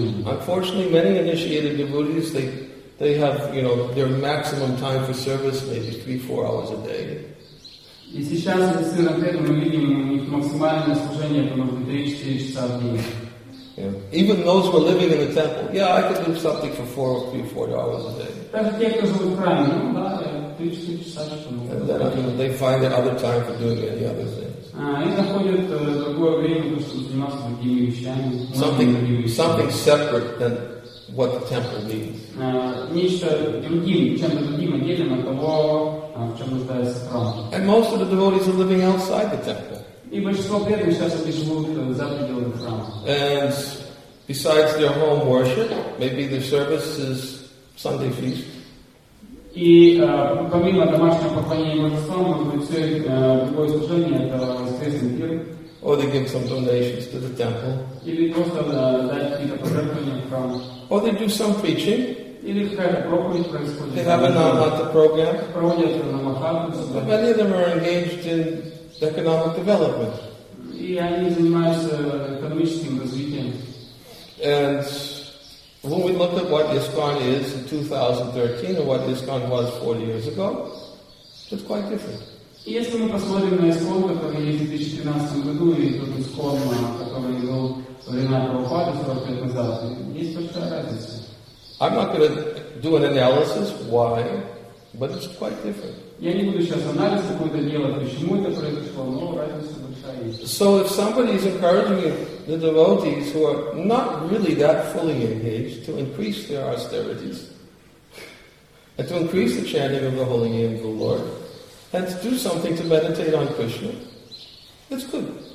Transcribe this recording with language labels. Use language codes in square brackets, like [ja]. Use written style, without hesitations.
[en] Unfortunately, many initiated devotees, they have, you know, their maximum time for service, maybe 3-4 hours a day. [ru] И сейчас, если на этом мы видим, у них максимальное служение, это может быть 3-4 часа в день. [en] Even those who are living in the temple, yeah, I could do something for 4 or 3 or 4 hours a day. [ru] Даже те, кто живут в храме, ну да, 3-4 часа в день. [en] And then, you know, they find other time for doing any other thing. [ru] Они находят другое время, чтобы заниматься другими вещами. [en] Something separate than what the temple needs. [ru] Нечто другим, чем-то другим отделим от того, в чем нуждается храм. [en] And most of the devotees are living outside the temple. [ru] И большинство преданных сейчас они живут за пределами храма. [en] And besides their home worship, maybe their service is Sunday feast. [ru] И помимо домашнего поклонения божества, может быть, все другое служение это воскресный пир. [en] Or they give some donations to the temple. [ru] Или просто дать какие-то пожертвования в храм. [en] Or they do some preaching. [ru] Или какая-то проповедь происходит. [en] They have a Namata program. [ru] Проводят намахату. [en] But many of them are engaged in economic development. [ru] И они занимаются экономическим развитием. [en] And When we look at what ISKCON is in 2013 and what ISKCON was 40 years ago, it's quite different. [ru] Если мы посмотрим на ИСКОН, который есть в 2013 году, и тот ИСКОН, который был во времена Прабхупады 40 лет назад, есть большая разница. [en] I'm not going to do an analysis why, but it's quite different. [ru] Я не буду сейчас анализ какой-то делать, почему это произошло, но разница большая есть. [en] So if somebody is encouraging the devotees who are not really that fully engaged to increase their austerities and to increase the chanting of the holy name of the Lord, and to do something to meditate on Krishna, that's good.